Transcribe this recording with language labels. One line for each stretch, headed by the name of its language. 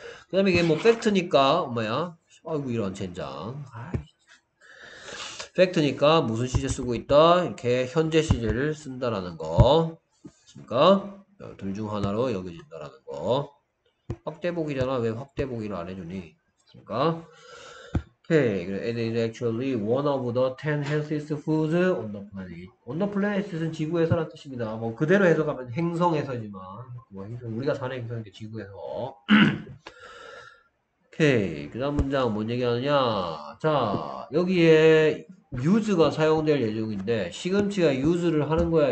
Korean: 그다음에 이게 뭐 팩트니까 뭐야? 아이고 이런 젠장. 팩트니까 무슨 시제 쓰고 있다? 이렇게 현재 시제를 쓴다라는 거. 그러니까 둘중 하나로 여겨진다라는 거. 확대복이잖아. 왜 확대복이를 안 해주니? 그러니까. Okay.
English: It is actually one of the 10 healthiest foods on the planet.
Korean: On the planet은 지구에서란 뜻입니다. 뭐 그대로 해석하면 행성에서지만 뭐 행성, 우리가 사는 행성인데 지구에서. 오케이. 그 다음 문장 뭔 얘기하느냐. 자, 여기에 use가 사용될 예정인데 시금치가 use를 하는 거야?